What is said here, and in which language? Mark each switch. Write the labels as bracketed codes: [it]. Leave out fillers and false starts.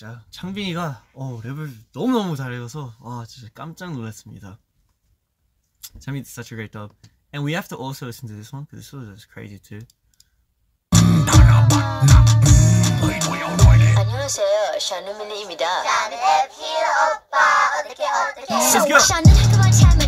[ko] 창빈이가 랩을 너무너무 잘해줘서 진짜 깜짝 놀랐습니다. [en] 창빈, it's such a great dub. And we have to also listen to this one because this one is crazy too. [ko] 안녕하세요, 샤누미니입니다. 샤누미니 오빠 어떻게 어떻게